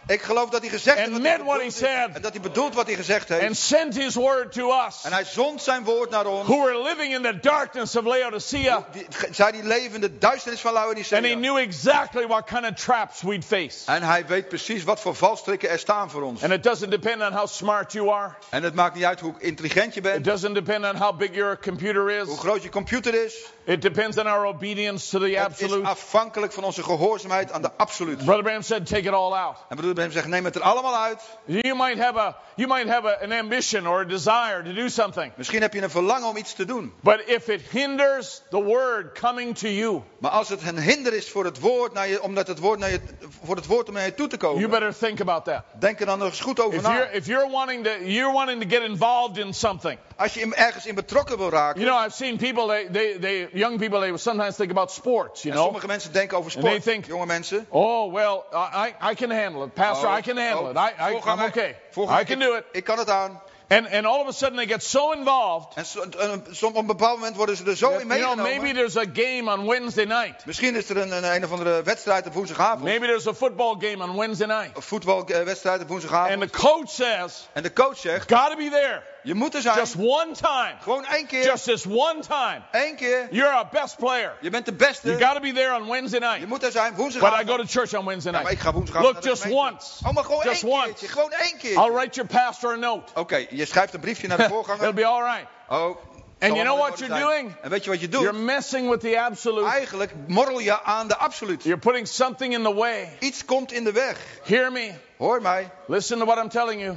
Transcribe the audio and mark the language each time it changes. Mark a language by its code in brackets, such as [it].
[nl] Ik geloof dat hij gezegd heeft. [en] And meant what he said. [nl] En dat hij bedoelt wat hij gezegd heeft. [en] And sent his word to us. [nl] En hij zond zijn woord naar ons. [en] Who are living in the darkness of Laodicea. [nl] Zij die leven in de duisternis van Laodicea. [en] And he knew exactly what kind of traps we'd face. [nl] En hij weet precies wat voor valstrikken er staan voor ons. [en] And it doesn't depend on how smart you are. [nl] En het maakt niet uit hoe intelligent je bent. [en] It doesn't depend on how big your computer is. [nl] Hoe groot je computer is. [en] It depends on our obedience to the absolute. [nl] Het is afhankelijk van onze gehoorzaamheid aan de absolute. [en] Brother Bram said, take it all out. [nl] En Broeder Bram zegt, neem het er allemaal uit. [en] You might have an ambition or a desire to do something. [nl] Misschien heb je een verlangen om iets te doen. [en] But if it hinders the word coming to you. [nl] Maar als het een hinder is voor het woord naar je, omdat het woord naar je, voor het woord om naar je toe te komen. [en] You better think about that. [nl] Denk er dan nog eens goed over na. [en] If you're wanting to get involved in something. [nl] Als je ergens in betrokken wil raken. [en] You know, I've seen people they young people they sometimes think about sports, you know. [nl] Sommige mensen denken over sport. [en] They think, [nl] jonge mensen. [en] Oh, well, I can handle it. Pastor, I can handle it. I'm okay. I can do it. [nl] Ik kan het aan. [en] And all of a sudden they get so involved. [nl] En op een bepaald moment worden ze er zo in meegenomen. [en] You know, maybe there's a game on Wednesday night. [nl] Misschien is er een of andere wedstrijd op woensdagavond. [en] Maybe there's a football game on Wednesday night. [nl] Een voetbalwedstrijd op woensdagavond. [en] And the coach says. [nl] En de coach zegt. [en] Gotta be there. [nl] Je moet er zijn. [en] Just one time. [nl] Gewoon één keer. [en] Just this one time. [nl] Eén keer. [en] You're our best player. [nl] Je bent de beste. [en] You gotta be there on Wednesday night. [nl] Je moet er zijn woensdagavond. [en] But I go to church on Wednesday night. [nl] Ja, maar ik ga woensdagavond. [en] Look, just once. [nl] Oh, maar gewoon [en] just [nl] één [en] once. [nl] Keertje. Gewoon één keer. [en] I'll write your pastor a note. [nl] Okay, je schrijft een briefje naar de voorganger. [en] It'll be all right. Oh. And you know what you're doing? [nl] En weet je wat je doet? [en] You're messing with the absolute. [nl] Eigenlijk morrel je aan de absolute. [en] You're putting something in the way. [nl] Iets komt in de weg. [en] Hear me. [nl] Hoor mij. [en] Listen to what I'm telling you.